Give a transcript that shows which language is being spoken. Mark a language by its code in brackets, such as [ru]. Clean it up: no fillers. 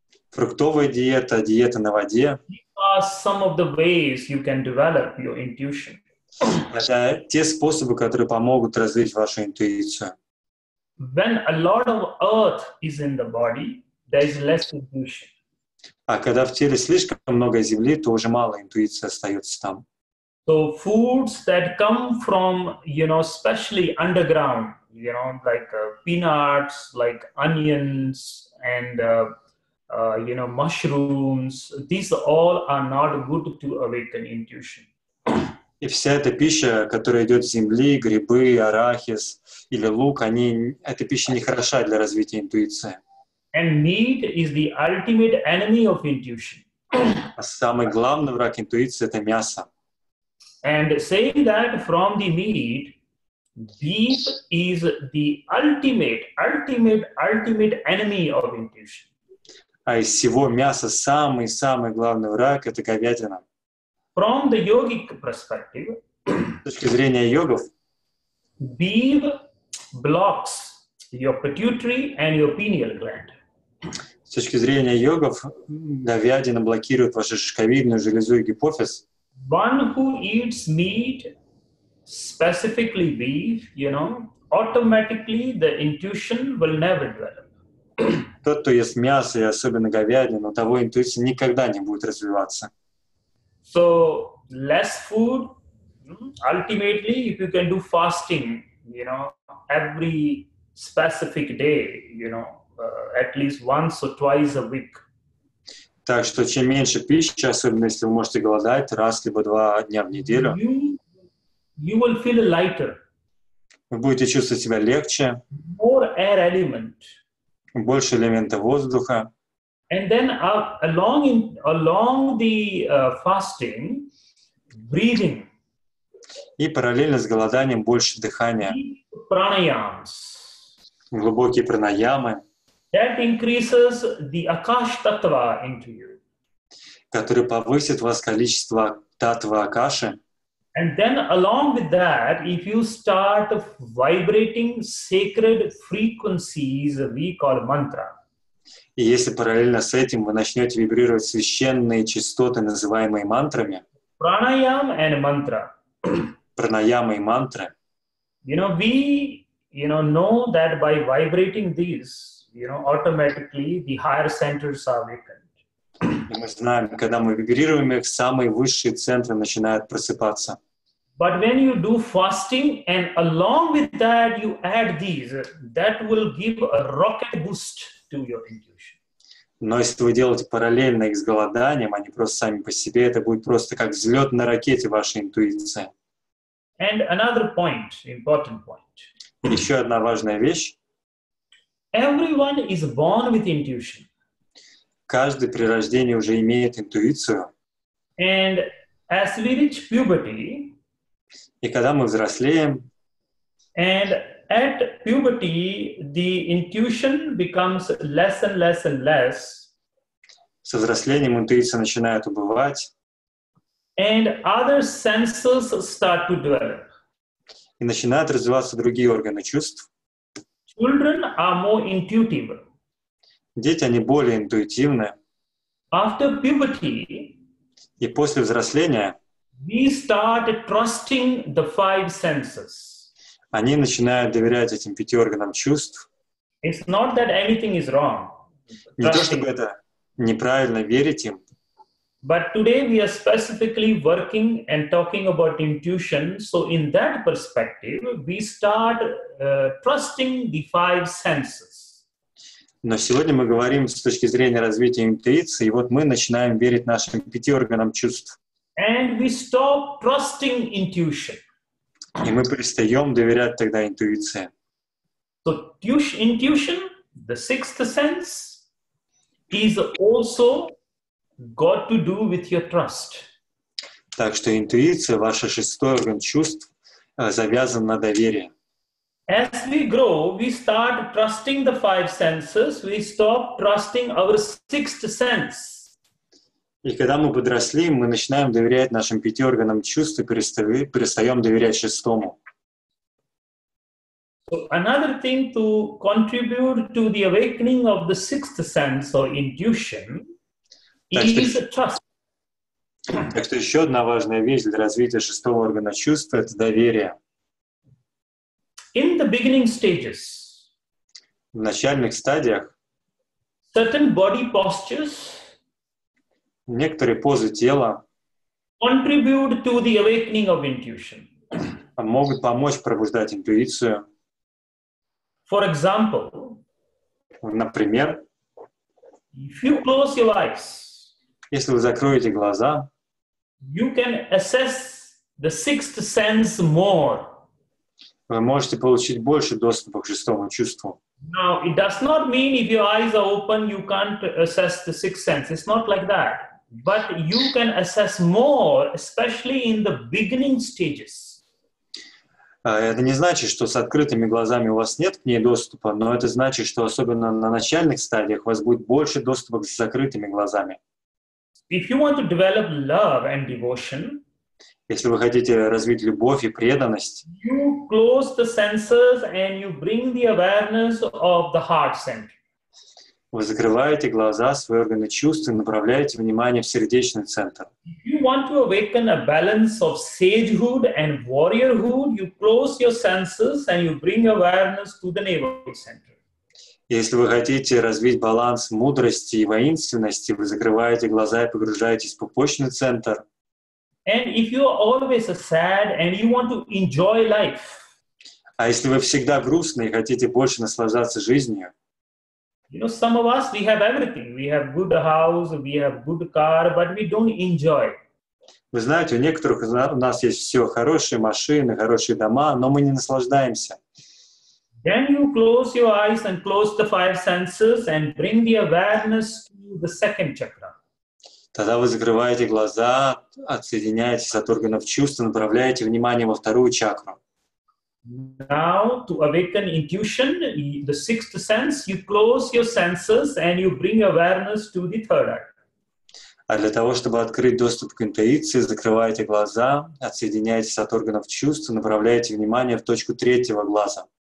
[ru] фруктовая диета, диета на воде, [en] are some of the ways you can develop your intuition. [ru] Это те способы, которые помогут развить вашу интуицию. [en] When a lot of earth is in the body, there is less intuition. [ru] А когда в теле слишком много земли, то уже мало интуиции остается там. [en] So foods that come from, you know, especially underground, you know, like peanuts, like onions and you know, mushrooms, these all are not good to awaken intuition. [ru] И вся эта пища, которая идет с земли, грибы, арахис или лук, они, эта пища не хороша для развития интуиции. [en] And meat is the ultimate enemy of intuition. [ru] А самый главный враг интуиции — это мясо. [en] And saying that from the meat, beef is the ultimate enemy of intuition. [ru] А из всего мяса самый главный враг — это говядина. [en] From the yogic perspective, [ru] с точки зрения йогов, [en] beef blocks your pituitary and your pineal gland. [ru] С точки зрения йогов, говядина блокирует вашу шишковидную железу и гипофиз. [en] One who eats meat, specifically beef, you know, automatically the intuition will never develop. [ru] Тот, кто ест мясо и особенно говядину, того интуиция никогда не будет развиваться. [en] So less food, ultimately, if you can do fasting, you know, every specific day, you know, at least once or twice a week. [ru] Так что чем меньше пищи, особенно если вы можете голодать раз либо два дня в неделю, [en] you will feel lighter. [ru] Вы будете чувствовать себя легче. [en] More air element. [ru] Больше элемента воздуха. [en] And then along the fasting, breathing. [ru] И параллельно с голоданием больше дыхания. [en] Pranayams. [ru] Глубокие пранаямы. [en] That increases the Akash Tattva into you. [ru] Который повысит вас количество Таттва Акаши. [en] And then along with that, if you start vibrating sacred frequencies, we call mantra. [ru] И если параллельно с этим вы начнете вибрировать священные частоты, называемые мантрами, [en] pranayama and mantra. [ru] Pranayama и мантры. [en] You know, we, you know that by vibrating these, you know, automatically the higher centers are awakened. [ru] Мы знаем, когда мы вибрируем их, самые высшие центры начинают просыпаться. [en] But when you do fasting and along with that you add these, that will give a rocket boost to your intuition. [ru] Но если вы делаете параллельно их с голоданием, они просто сами по себе, это будет просто как взлет на ракете вашей интуиции. [en] And another point, important point. [ru] Еще одна важная вещь. [en] Everyone is born with intuition. [ru] Каждый при рождении уже имеет интуицию. [en] And as we reach puberty, [ru] и когда мы взрослеем, [en] and at puberty, the intuition becomes less and less and less. [ru] Со взрослением интуиция начинает убывать. [en] And other senses start to develop. [ru] И начинают развиваться другие органы чувств. [en] Children are more intuitive. [ru] Дети, они более интуитивны. [en] After puberty, [ru] и после взросления, [en] we start trusting the five senses. [ru] Они начинают доверять этим пяти органам чувств. [en] It's not that anything is wrong. [ru] Не то, чтобы это неправильно верить им. [en] But today we are specifically working and talking about intuition. So in that perspective, we start trusting the five senses. [ru] Но сегодня мы говорим с точки зрения развития интуиции, и вот мы начинаем верить нашим пяти органам чувств. [en] And we stop trusting intuition. [ru] И мы перестаем доверять тогда интуиции. [en] So intuition, the sixth sense, is also got to do with your trust. [ru] Так что интуиция, ваш шестой орган чувств, завязан на доверии. [en] As we grow, we start trusting the five senses, we stop trusting our sixth sense. [ru] И когда мы подросли, мы начинаем доверять нашим пяти органам чувств и перестаем доверять шестому. [en] So another thing to contribute to the awakening of the sixth sense or intuition. [ru] Так что еще одна важная вещь для развития шестого органа чувств — это доверие. [en] In the beginning stages, [ru] в начальных стадиях, [en] certain body postures, [ru] некоторые позы тела, [en] contribute to the awakening of intuition. [ru] Могут помочь пробуждать интуицию. [en] For example, [ru] например, [en] if you close your eyes, [ru] если вы закроете глаза, [en] you can assess the sixth sense more. [ru] Вы можете получить больше доступа к шестому чувству. [en] Now, it does not mean if your eyes are open, you can't assess the sixth sense. It's not like that. But you can assess more, especially in the beginning stages. [ru] Это не значит, что с открытыми глазами у вас нет к ней доступа, но это значит, что особенно на начальных стадиях у вас будет больше доступа к закрытыми глазами. [en] If you want to develop love and devotion, [ru] если вы хотите развить любовь и преданность, [en] you close the senses and you bring the awareness of the heart center. [ru] Вы закрываете глаза, свои органы чувств и направляете внимание в сердечный центр. [en] If you want to awaken a balance of sagehood and warriorhood, you close your senses and you bring awareness to the navel center. [ru] Если вы хотите развить баланс мудрости и воинственности, вы закрываете глаза и погружаетесь в пупочный центр. [en] And if you are always sad and you want to enjoy life, [ru] а если вы всегда грустны и хотите больше наслаждаться жизнью, [en] you know, some of us, we have everything. We have good house, we have good car, but we don't enjoy. [ru] Вы знаете, у некоторых у нас есть все, хорошие машины, хорошие дома, но мы не наслаждаемся. [en] Then you close your eyes and close the five senses and bring the awareness to the second chakra. [ru] Тогда вы закрываете глаза, отсоединяетесь от органов чувств, направляете внимание во вторую чакру. [en] Now to awaken intuition, the sixth sense, you close your senses and you bring awareness to the third eye. [ru] А для того, чтобы открыть доступ к интуиции, закрываете глаза, отсоединяетесь от органов чувств, направляете внимание в точку третьего глаза.